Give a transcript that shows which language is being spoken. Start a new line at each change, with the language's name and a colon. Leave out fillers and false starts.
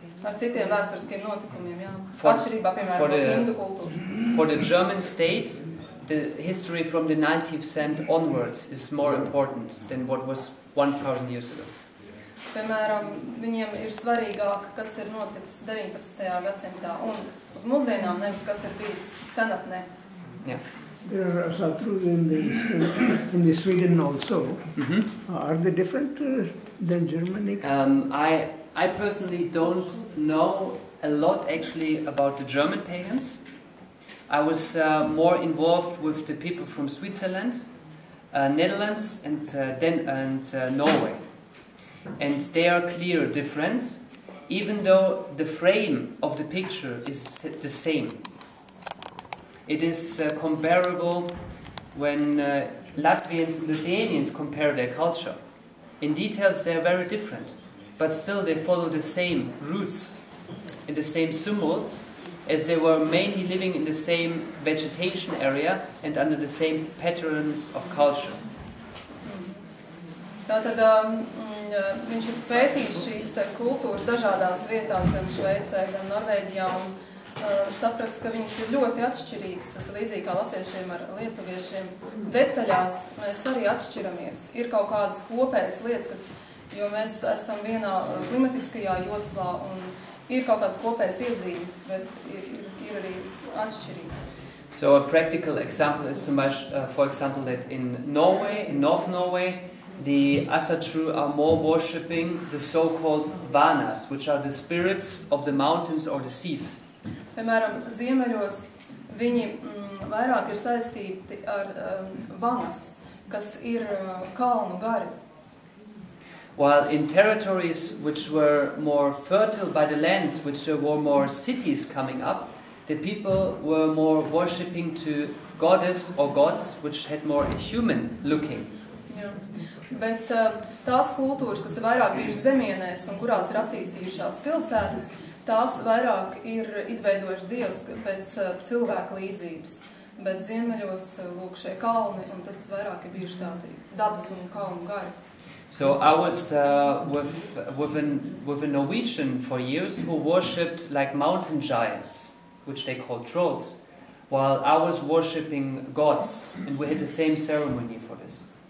Latvian: Ar citiem vēsturiskiem notikumiem, jā. Atšķirībā, piemēram, no Hindu kultūras.
English: For the German state, the history from the 19th century onwards is more important than what was 1000 years ago.
Latvian: Piemēram, viņiem ir svarīgāk, kas ir noticis 19. Gadsimtā un uz mūsdienām, nevis kas ir bijis senatnē.
English: There are also truths in the Sweden also. Mm-hmm. Are they different than Germanic? I personally don't know a lot actually about the German pagans. I was more involved with the people from Switzerland, Netherlands, and Norway. And they are clear different, even though the frame of the picture is the same. It is comparable when Latvians and Lithuanians compare their culture. In details, they are very different, but still they follow the same roots and the same symbols, as they were mainly living in the same vegetation area and under the same patterns of culture.
Latvian: Tātad viņš ir pētījis šīs kultūras dažādās vietās, gan Šveicē, gan Norvēģijā, un saprats, ka viņas ir ļoti atšķirīgas, tas ir līdzīgi kā latviešiem ar lietuviešiem. Detaļās mēs arī atšķiramies, ir kaut kādas kopējas lietas, kas, jo mēs esam vienā klimatiskajā joslā, un ir kaut kādas kopējas iezīmes, bet ir arī atšķirīgas.
English: So a practical example is too much, for example, that in Norway, in North Norway, the Asatru are more worshipping the so-called Vanas, which are the spirits of the mountains or the seas.
Latvian: Piemēram, ziemeļos viņi vairāk ir saistīti ar Vanas, kas ir kalnu gari.
English: While in territories which were more fertile by the land, which there were more cities coming up, the people were more worshipping to goddess or gods, which had more a human looking.
Latvian: Bet tās kultūras, kas ir vairāk bijušas zemienēs un kurās ir attīstījušās pilsētas, tās vairāk ir izveidojušas dievs pēc cilvēka līdzības. Bet ziemeļos lūk šie kalni, un tas vairāk ir bijuši tādi dabas un kalnu gari.
English: So I was with a Norwegian for years who worshipped like mountain giants, which they called trolls, while I was worshipping gods, and we had the same ceremony for this.